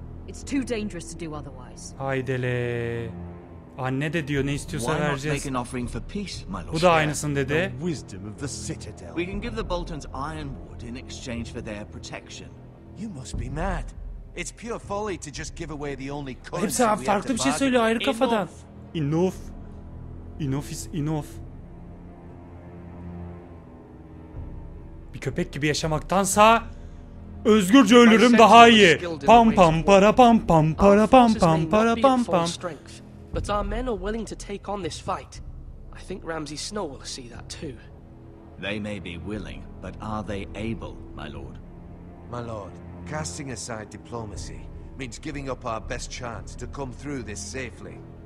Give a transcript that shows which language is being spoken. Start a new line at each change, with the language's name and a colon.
English: It's too dangerous to do otherwise.
Turkish: Haydele. Anne de diyor ne istiyorsa vereceğiz.
English: Why not make an offering for peace, my lord?
Turkish: Bu da aynısını dedi.
English: The wisdom of the citadel. We can give the Boltons ironwood in exchange for their protection. You must be mad. It's pure folly to just give away the only coin.
Turkish: Hepsi abi, farklı bir şey söylüyor ayrı kafadan.
English: Enough. Enough is enough.
Turkish: Bir köpek gibi yaşamaktansa özgürce ölürüm daha iyi. Pam pam para pam pam para pam pam para pam pam.
English: But our men are willing to take on this fight. I think Ramsay Snow will see that too. They may be willing, but are they able, my lord? My lord, casting aside diplomacy means giving up our best chance to come through this safely.